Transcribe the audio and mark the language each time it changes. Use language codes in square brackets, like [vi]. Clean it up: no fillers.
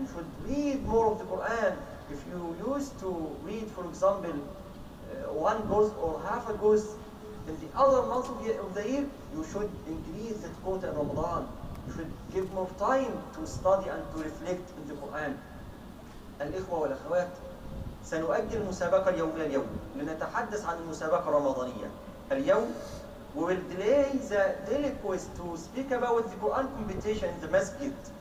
[en] You should read more of the Quran. If you used to read, for example, one juz or half a juz in the other month of the year, you should increase that quota in Ramadan. You should give more time to study and to reflect in the Quran. [ar] الإخوة والأخوات، سنؤجل مسابقة اليومية اليوم لنتحدث عن المسابقة الرمضانية. [en] اليوم we will delay the daily quest to speak about the Quran competition in the masjid.